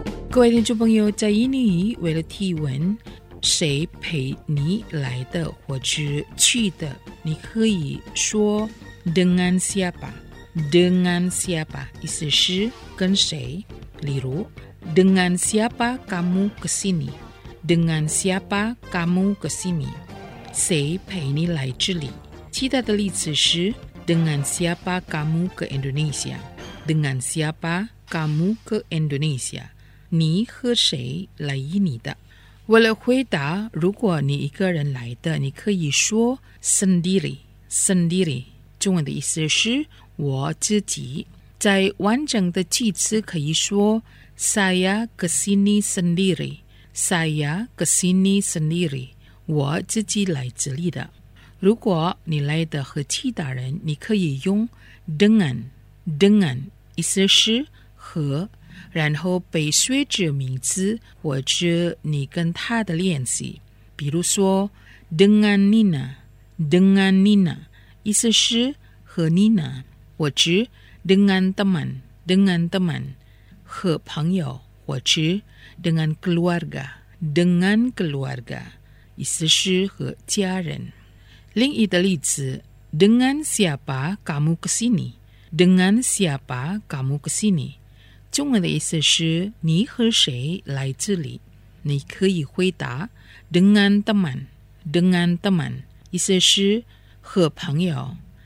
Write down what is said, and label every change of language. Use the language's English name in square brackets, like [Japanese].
[Chinese] 各位听众朋友，在印尼语为了提问谁陪你来的或者去的，你可以说 [Indonesian] dengan siapa dengan siapa， [Chinese] 意思是跟谁。例如 [Indonesian] dengan siapa kamu kesini dengan siapa kamu kesini， [Chinese] 谁陪你来这里。其他的例子是 [Indonesian] dengan siapa kamu ke Indonesia dengan siapa kamu ke Indonesia， [Chinese] 你和谁来印尼的？为了回答，如果你一个人来的，你可以说 [Indonesian] sendiri sendiri， [Chinese] 中文的意思是我自己。在完整的句子可以说 [Indonesian] saya kesini sendiri saya kesini sendiri， [Chinese] 我自己来这里的。如果你来的和其他人，你可以用 [Indonesian] dengan dengan， [Chinese] 意思是和，然后被随之名字或者你跟他的联系。比如说 [Indonesian] dengan Nina dengan Nina， [Chinese] 意思是和 [Indonesian] Nina， [Chinese] 或者 [Indonesian] dengan teman dengan teman， [Chinese] 和朋友，或者 [Indonesian] dengan keluarga dengan keluarga， [Chinese] 意思是和家人。另一个例子 [Indonesian] dengan siapa kamu kesini dengan siapa kamu kesini， [Chinese] 中文的意思是你和谁来这里。你可以回答 [Indonesian] dengan teman dengan teman， [Chinese] 意思是和朋友。